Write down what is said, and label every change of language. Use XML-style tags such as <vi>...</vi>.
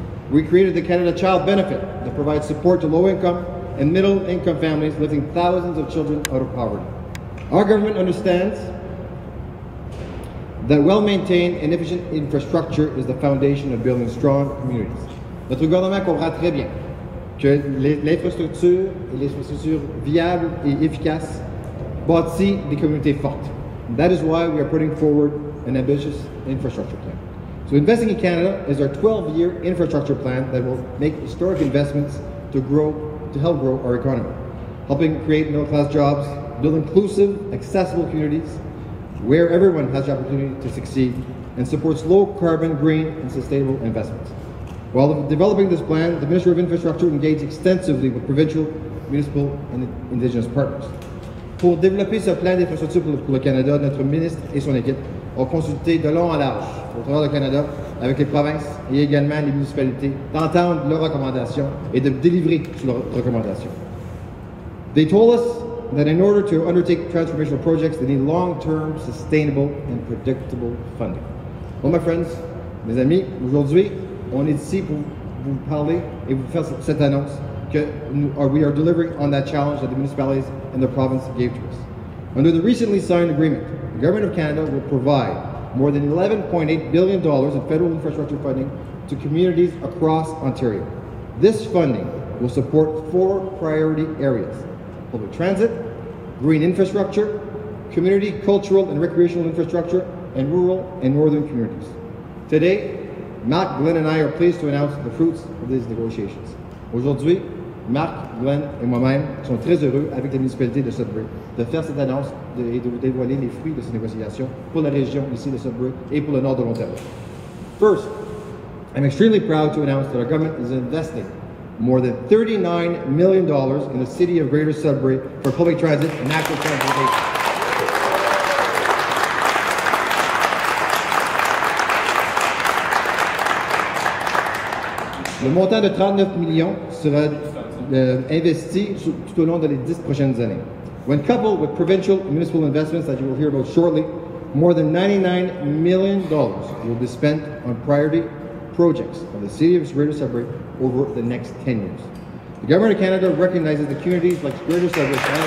<en>We created the Canada Child Benefit that provides support to low-income and middle-income families, lifting thousands of children out of poverty. Our government understands that well-maintained and efficient infrastructure is the foundation of building strong communities.</en> <fr>Notre gouvernement comprend très bien que l'infrastructure et les infrastructures viables et efficaces bâtissent des communautés fortes.</fr> <en>That is why we are putting forward an ambitious infrastructure plan. So Investing in Canada is our 12-year infrastructure plan that will make historic investments to grow, to help grow our economy, helping create middle-class jobs, build inclusive, accessible communities where everyone has the opportunity to succeed, and supports low-carbon, green, and sustainable investments. While developing this plan, the Minister of Infrastructure engaged extensively with provincial, municipal, and Indigenous partners.</en> <fr>Pour développer ce plan d'infrastructure pour le Canada, notre ministre et son équipe ont consulté de long en large au travers du Canada avec les provinces et également les municipalités d'entendre leurs recommandations et de délivrer sur leurs recommandations.</fr> <en>They told us that in order to undertake transformational projects, they need long-term, sustainable and predictable funding. Well, my friends,</en> <fr>mes amis, aujourd'hui, on est ici pour vous parler et vous faire cette annonce que</fr> <en>we are delivering on that challenge that the municipalities and the province gave to us. Under the recently signed agreement, the Government of Canada will provide more than $11.8 billion in federal infrastructure funding to communities across Ontario. This funding will support four priority areas: public transit, green infrastructure, community, cultural and recreational infrastructure, and rural and northern communities. Today, Marc, Glenn and I are pleased to announce the fruits of these negotiations.</en> <fr>Aujourd'hui, Marc, Glenn et moi-même sont très heureux avec la municipalité de Sudbury de faire cette annonce et de vous dévoiler les fruits de ces négociations pour la région ici de Sudbury et pour le nord de l'Ontario.</fr> <en>First, I'm extremely proud to announce that our government is investing more than $39 million in the city of Greater Sudbury for public transit and active transportation.</en> <fr>Le montant de 39 millions sera investi tout au long des 10 prochaines années.</fr> <en>When coupled with provincial and municipal investments that you will hear about shortly, more than $99 million will be spent on priority projects of the city of Greater Sudbury over the next 10 years. The Government of Canada recognizes the communities like Greater Sudbury.</en>